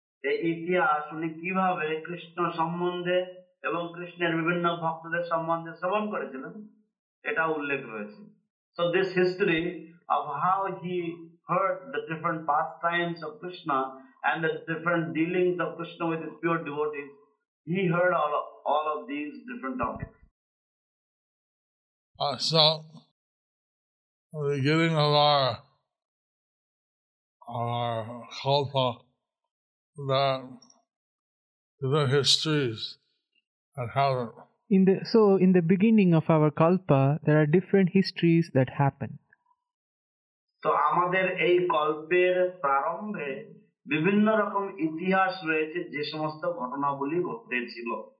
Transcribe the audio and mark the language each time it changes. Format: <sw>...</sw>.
<bn>এই ইতিহাস উনি কিভাবে কৃষ্ণ সম্বন্ধে এবং কৃষ্ণের বিভিন্ন ভক্তদের সম্বন্ধে শ্রবণ করেছিলেন এটা উল্লেখ রয়েছে।</bn> <en>So this history of how he heard the different pastimes of Krishna and the different dealings of Krishna with his pure devotees, he heard all of these different topics. So, the beginning of our kalpa, the histories that happen. In the beginning of our kalpa, there are different histories that happen.</en> <bn>So, আমাদের এই কল্পের প্রারম্ভে বিভিন্ন রকম ইতিহাস রয়েছে যে সমস্ত ঘটনাগুলি ঘটেছিল।</bn>